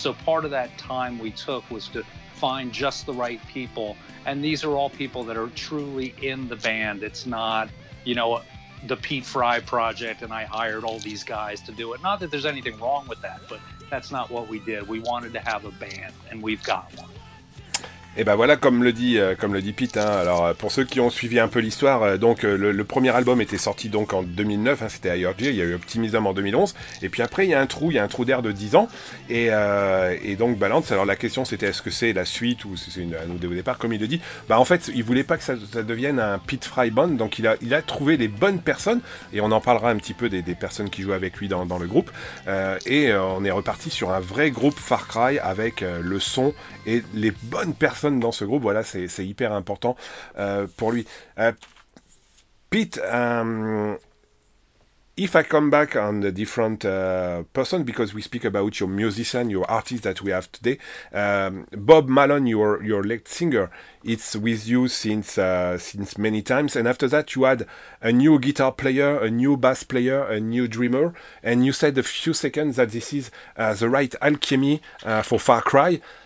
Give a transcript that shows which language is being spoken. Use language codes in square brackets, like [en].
[en] So part of that time we took was to find just the right people. And these are all people that are truly in the band. It's not, you know, the Pete Fry project, and I hired all these guys to do it. Not that there's anything wrong with that, but that's not what we did. We wanted to have a band, and we've got one. [fr] Et ben voilà, comme le dit Pete, hein, alors pour ceux qui ont suivi un peu l'histoire, donc le premier album était sorti donc en 2009, hein, c'était Higher Cheer, il y a eu Optimism en 2011, et puis après il y a un trou d'air de 10 ans, et donc Balance, alors la question c'était est-ce que c'est la suite ou c'est un nouveau départ, comme il le dit. Bah en fait, il voulait pas que ça devienne un Pete Fry band, donc il a trouvé les bonnes personnes, et on en parlera un petit peu des personnes qui jouent avec lui dans le groupe, et on est reparti sur un vrai groupe Far Cry avec le son et les bonnes personnes dans ce groupe. Voilà, c'est hyper important pour lui. [en] Pete, if I come back on the different person, because we speak about your musician, your artist that we have today, Bob Malon, your lead singer, it's with you since many times, and after that you had a new guitar player, a new bass player, a new drummer, and you said a few seconds that this is the right alchemy for Far Cry.